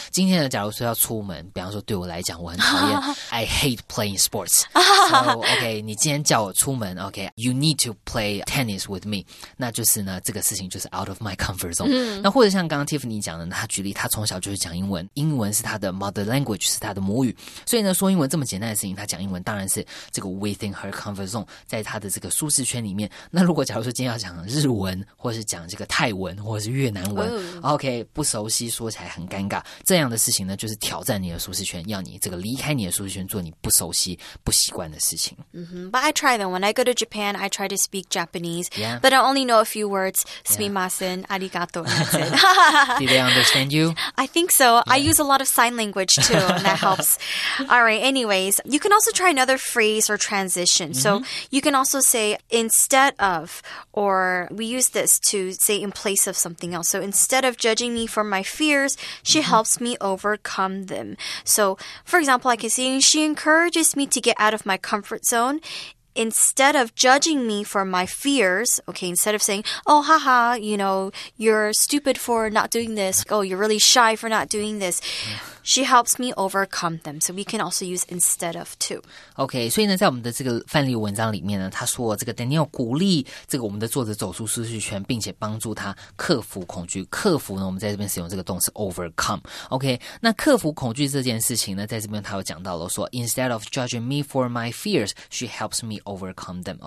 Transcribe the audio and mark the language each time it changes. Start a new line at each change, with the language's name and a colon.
Chinese: 今天呢假如说要出门，比方说对我来讲我很讨厌 I hate playing sports， so OK， 你今天叫我出门， OK， you need to play tennis with me，那就是呢这个事情就是 outof my comfort zone、那或者像刚刚 Tiffany 讲的，他举例他从小就是讲英文，英文是他的 mother language， 是他的母语，所以呢说英文这么简单的事情，他讲英文当然是这个 within her comfort zone，在他的这个舒适圈里面。那如果假如说今天要讲日文或是讲这个泰文或是越南文、OK， 不熟悉说起来很尴尬，这样的事情呢就是挑战你的舒适圈，要你这个离开你的舒适圈，做你不熟悉不习惯的事情、
English: But I try them. When I go to Japan I try to speak Japanese、But I only know a few words.
Japanese: Sumimasen、Arigato.
English: Did they understand you? I think so.、I use a lot of sign language too, and that helps. All right, anyways, you can also try another phrase or transition.、So you can also say instead of, or we use this to say in place of something else. So instead of judging me for my fears, she、helps me overcome them. So, for example, I can say she encourages me to get out of my comfort zone. Instead of judging me for my fears, okay, instead of saying, oh, haha, you know, you're stupid for not doing this, oh, you're really shy for not doing this, she helps me overcome them. So we can also use instead of too.
Chinese: Okay, 所以呢在我们的这个范例文章里面呢，他说这个 Daniel 鼓励这个我们的作者走出舒适圈，并且帮助他克服恐惧。克服呢我们在这边使用这个动词 overcome. Okay, 那克服恐惧这件事情呢，在这边他有讲到了说 instead of judging me for my fears, she helps meovercome them.